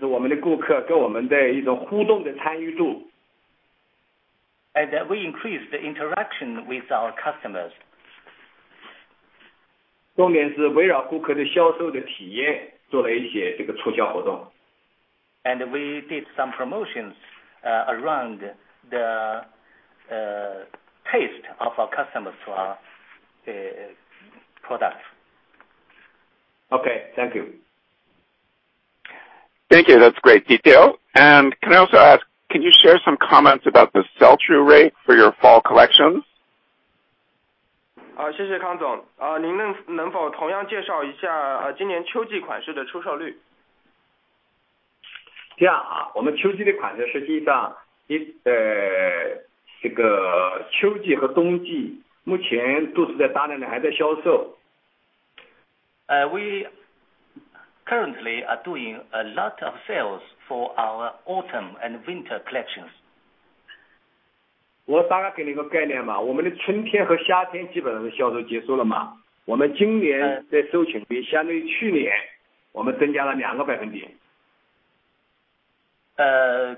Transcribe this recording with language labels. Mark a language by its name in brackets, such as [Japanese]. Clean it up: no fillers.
[Chinese] 然后同时呢，增加了让客人，就是我们的顾客跟我们的一种互动的参与度。 [English] And we increased the interaction with our customers. [Chinese] 重点是围绕顾客的销售的体验做了一些这个促销活动。 [English] And we did some promotions around the taste of our customers to our products. Okay, thank you. Thank you, that's great detail. And can I also ask, can you share some comments about the sell-through rate for your fall collections? [Chinese] 谢谢康总，您能否同样介绍一下今年秋季款式的出售率？这样啊，我们秋季的款式实际上，这个秋季和冬季目前都是在大量的还在销售。 [English] We currently are doing a lot of sales for our autumn and winter collections. [Chinese] 我大概给你个概念嘛，我们的春天和夏天基本上的销售结束了嘛。我们今年的收钱率相对于去年，我们增加了2%。